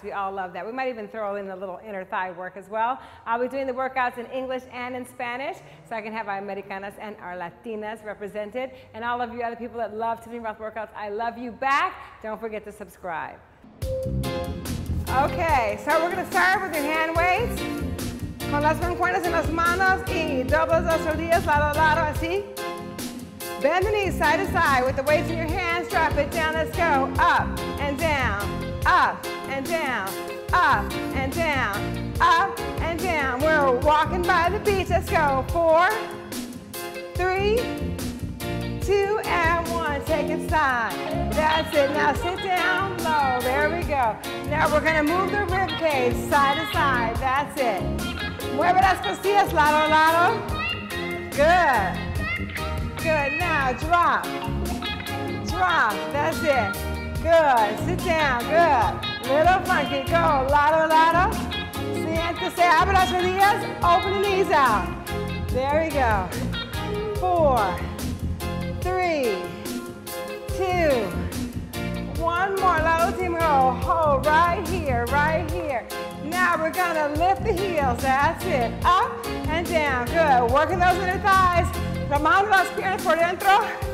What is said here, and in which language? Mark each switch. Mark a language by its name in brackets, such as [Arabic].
[English] We all love that. We might even throw in a little inner thigh work as well. I'll be doing the workouts in English and in Spanish, so I can have our Americanas and our Latinas represented. And all of you other people that love Tiffany Ross workouts, I love you back. Don't forget to subscribe. Okay, so we're gonna start with your hand weights. [Spanish] Con las mancuernas en las manos y doblas las rodillas lado a lado, así. [English] Bend the knees side to side with the weights in your hands, drop it down, let's go. Up and down, up and down, up and down, up and down. We're walking by the beach, let's go. Four, three, two, and one, take it side. That's it, now sit down low, there we go. Now we're gonna move the rib cage side to side, that's it. [Spanish] Mueve las costillas, lado a lado. [English] Good. Good, now drop. Drop, that's it. Good, sit down, good. Little funky, go, [Spanish] lado a lado. Siente, se abre las rodillas, [English] open the knees out. There we go. Four, three, two, one more, [Spanish] la última [English] row. Hold right here, right here. Now we're gonna lift the heels, that's it. Up and down, good. Working those inner thighs. [Spanish] Tomando las piernas por dentro.